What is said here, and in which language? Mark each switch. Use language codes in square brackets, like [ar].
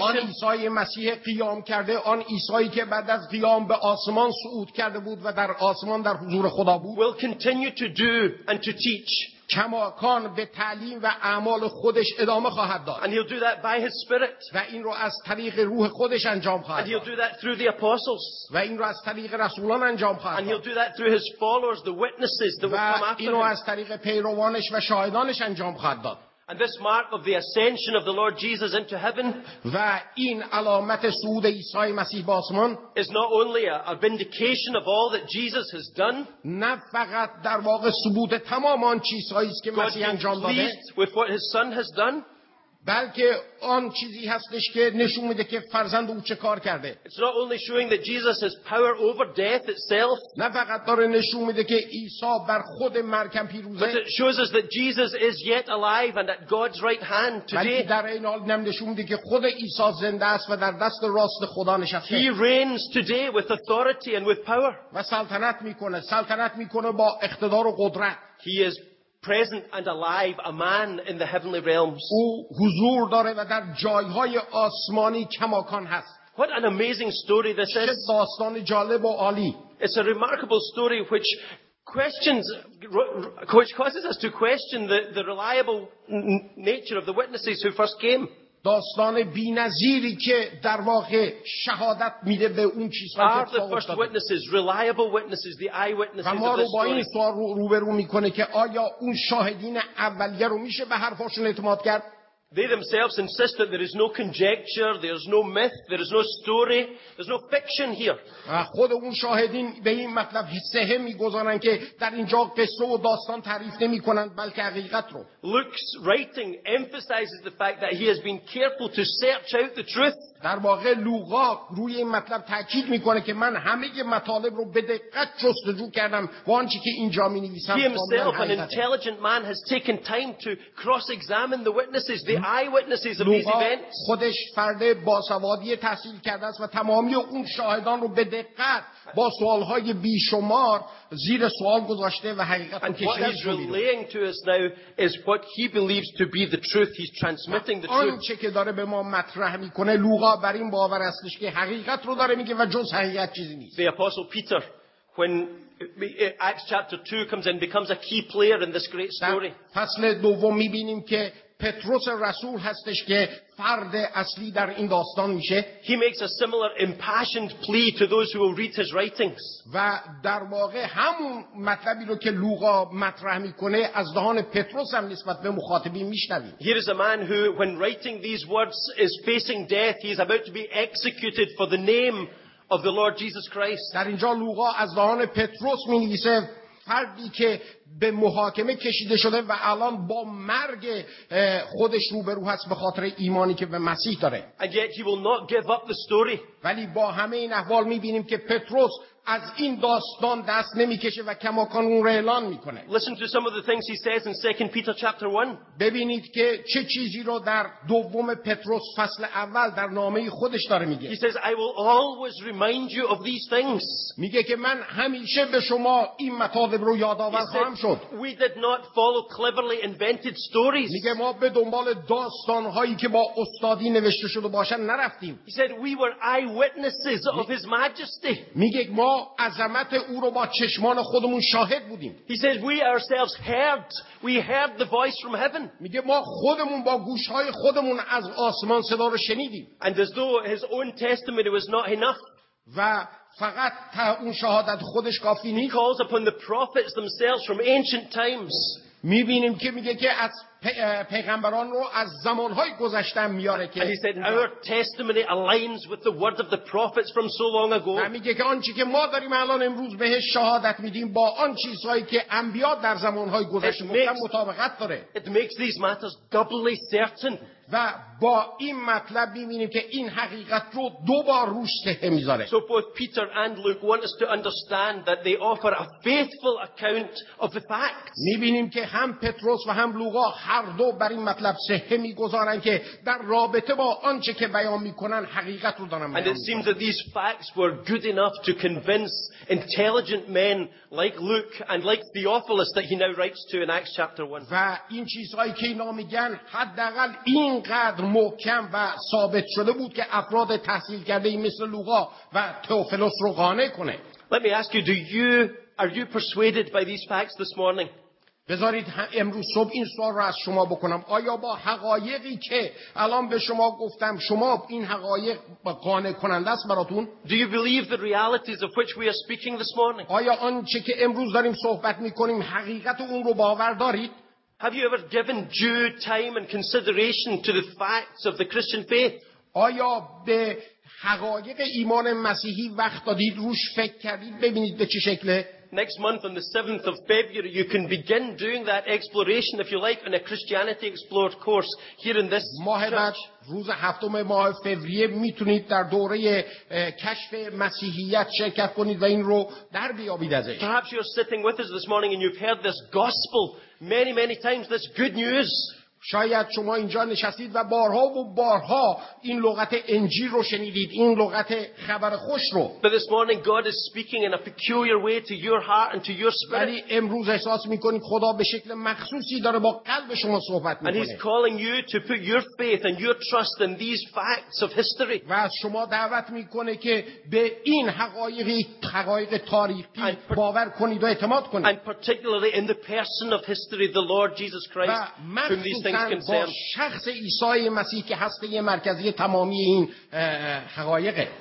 [fa] آن عیسی مسیح قیام کرده، آن عیسایی که بعد از قیام به آسمان صعود کرده بود و در آسمان در حضور خدا بود. [en] Will continue to do and to teach. [fa] کماکان به تعلیم و اعمال خودش ادامه خواهد داد. [en] And he'll do that by his spirit. [fa] و این رو از طریق روح خودش انجام خواهد داد. [en] And he'll do that through the apostles. [fa] و این رو از طریق رسولان انجام خواهد داد. [en] And he'll do that through his followers, the witnesses that will come after him. [fa] و این رو از طریق پیروانش و شاهدانش انجام خواهد داد. [en] And this mark of the ascension of the Lord Jesus into heaven. [fa] و این علامت صعود عیسی مسیح به آسمان. [en] Is not only a vindication of all that Jesus has done. [fa] نه فقط در واقع ثبوت تمام آن چیزهایی است که مسیح انجام داده. [en] God is pleased with what His Son has done. [fa] بلکه آن چیزی هستش که نشون میده که فرزند او چه کار کرده. [en] It's not only showing that Jesus has power over death itself. [fa] نه فقط داره نشون میده که عیسی بر خود مرگ هم پیروزه. [en] But it shows us that Jesus is yet alive and at God's right hand today. [fa] بلکه در این حال نشون میده که خود عیسی زنده است و در دست راست خدا نشسته. [en] He reigns today with authority and with power. [fa] و سلطنت میکنه با اقتدار و قدرت. [en] He is present and alive, a man in the heavenly realms. [fa] او حضور داره و در جایهای آسمانی کماکان هست. [en] What an amazing story this is. [fa] چه داستان جالب و عالی. [en] It's a remarkable story which causes us to question the reliable nature of the witnesses who first came. [fa] داستان بی‌نظیری که در واقع شهادت میده به اون چیزهایی که اتفاق افتاده. [en] Are the first witnesses reliable witnesses, the eyewitnesses of this story? [fa] و ما رو با این سوال روبرو میکنه که آیا اون شاهدین اولیه رو میشه به حرفاشون اعتماد کرد؟ [en] They themselves insist that there is no conjecture, there is no myth, there is no story, there is no fiction here. [fa] خود اون شاهدین به این مطلب حسه میگذارن که در اینجا قصه و داستان تعریف نمی کنند بلکه حقیقت رو. [en] Luke's writing emphasizes the fact that he has been careful to search out the truth. [fa] در واقع لوقا روی این مطلب تاکید میکنه که من همه مطالب رو به دقت جستجو کردم و آنچه که اینجا می نویسم [en] He himself, an intelligent man, has taken time to cross-examine the witnesses, the eyewitnesses of these events. [fa] لوقا خودش فرد باسوادی تحصیل کرده است و تمامی اون شاهدان رو به دقت با سوالهای بیشمار زیر سوال گذاشته و حقیقت رو کشیده. [en] What he's relaying to us now is what he believes to be the truth. He's transmitting the truth. [fa] آنچه که داره به ما مطرح میکنه لوقا بر این باور هستش که حقیقت رو داره میگه و جز حقیقت چیزی نیست. [en] The apostle Peter, when Acts chapter 2 comes in, becomes a key player in this great story. [fa] فصل دوم میبینیم که پتروس رسول هستش که فرد اصلی در این داستان میشه. [en] He makes a similar impassioned plea to those who will read his writings. [fa] و در واقع همون مطلبی رو که لوقا مطرح میکنه از دهان پتروس هم نسبت به مخاطبین میشنویم. [en] Here is a man who when writing these words is facing death. He is about to be executed for the name of the Lord Jesus Christ. [fa] در اینجا لوقا از دهان پتروس مینویسه فردی که به محاکمه کشیده شده و الان با مرگ خودش روبرو هست به خاطر ایمانی که به مسیح داره. [en] And yet he will not give up the story. [fa] ولی با همه این احوال میبینیم که پتروس از این داستان دست نمیکشه و کماکان اون رو اعلان میکنه. [en] Listen to some of the things he says in 2 Peter chapter 1. [fa] ببینید که چه چیزی رو در دوم پتروس فصل اول در نامه خودش داره میگه. [en] He says I will always remind you of these things. [fa] میگه که من همیشه به شما این مطالب رو یادآور خواهم شد. [en] We did not follow cleverly invented stories. [fa] میگه ما به دنبال داستان هایی که با استادی نوشته شده باشن نرفتیم. [en] He said we were eyewitnesses of his majesty. [fa] میگه ما عظمت او رو با چشمان خودمون شاهد بودیم. [en] He says we ourselves heard. We heard the voice from heaven. [fa] میگه ما خودمون با گوشهای خودمون از آسمان صدا رو شنیدیم. [en] And as though his own testimony was not enough. [fa] و فقط تا اون شهادت خودش کافی نیست. [en] He calls upon the prophets themselves from ancient times. [fa] میبینیم که میگه که از پیغمبران رو از زمانهای گذشته میاره که. [en] And he said our testimony aligns with the word of the prophets from so long ago. [fa] و میگه که آنچه که ما داریم الان امروز بهش شهادت میدیم با آن چیزهایی که انبیا در زمانهای گذشته گفتن مطابقت داره. [en] It makes these matters doubly certain. [fa] و با این مطلب می‌بینیم که این حقیقت رو دوبار روش صحه می‌ذاره. [en] So both Peter and Luke want us to understand that they offer a faithful account of the facts. [fa] می‌بینیم که هم پتروس و هم لوقا هر دو بر این مطلب صحه می‌گذارن که در رابطه با آنچه که بیان می‌کنن حقیقت رو دارن بیان می‌کنن. [en] And it seems that these facts were good enough to convince intelligent men like Luke and like Theophilus that he now writes to in Acts chapter 1. [fa] و این چیزهایی که اینا میگن حداقل اینقدر محکم و ثابت شده بود که افراد تحصیل کرده مثل لوقا و تئوفیلوس رو قانع کنه. [en] Let me ask you, are you persuaded by these facts this morning? [fa] بذارید امروز صبح این سوال رو از شما بکنم. آیا با حقایقی که الان به شما گفتم شما این حقایق قانع کننده است براتون؟ [en] Do you believe the realities of which we are speaking this morning? [fa] آیا آنچه که امروز داریم صحبت میکنیم حقیقت اون رو باور دارید؟ [en] Have you ever given due time and consideration to the facts of the Christian faith? [fa] آیا به حقایق ایمان مسیحی وقت دادید روش فکر کردید ببینید به چه شکله؟ [en] Next month on the 7th of February you can begin doing that exploration if you like in a Christianity Explored course here in this church. [fa] روز هفتم ماه فوریه میتونید در دوره کشف مسیحیت شرکت کنید و این رو در بیابید ازش. [en] Perhaps you're sitting with us this morning and you've heard this gospel many times, this good news. [fa] شاید شما اینجا نشستید و بارها و بارها این لغت انجیل رو شنیدید، این لغت خبر خوش رو. [en] But this morning God is speaking in a peculiar way to your heart and to your spirit. [fa] ولی امروز احساس میکنید خدا به شکل مخصوصی داره با قلب شما صحبت میکنه. [en] And he's calling you to put your faith and your trust in these facts of history. [fa] و شما دعوت میکنه که به این حقایق تاریخی باور کنید و اعتماد کنید. [en] And particularly in the person of history, the Lord Jesus Christ. [fa] با شخص عیسی مسیح که هسته مرکزی تمامی این حقایقه.